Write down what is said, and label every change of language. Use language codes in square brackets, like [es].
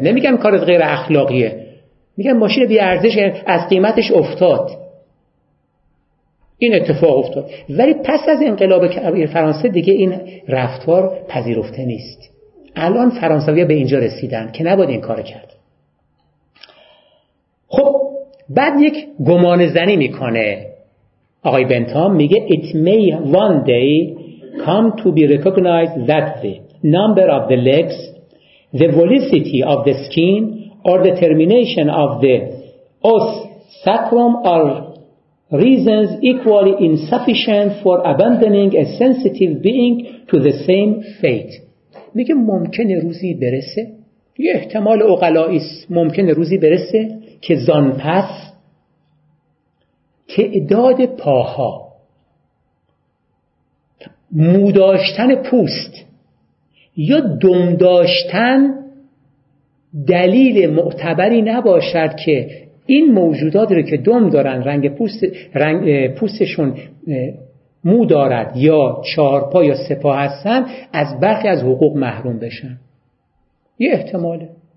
[fa] نمیگم کارت غیر اخلاقیه، میگم ماشین بی ارزش از قیمتش افتاد. این اتفاق افتاد. ولی پس از انقلاب فرانسه دیگه این رفتار پذیرفته نیست. الان فرانسوی‌ها به اینجا رسیدن که نباید این کار کرد. خب بعد یک گمان زنی میکنه آقای بنتام، میگه [en] It may one day come to be recognized that the number of the legs, the velocity of the skin or the termination of the os sacrum are reasons equally insufficient for abandoning a sensitive being to the same fate. [fa] میگه ممکنه روزی برسه، یه احتمال اوغلاییست، ممکنه روزی برسه که زان پس تعداد پاها، موداشتن پوست یا دمداشتن دلیل معتبری نباشد که این موجودات رو که دم دارن، رنگ پوست، رنگ پوستشون مو دارد یا چهارپا یا سپا هستن، از برخی از حقوق محروم بشن. یه احتماله.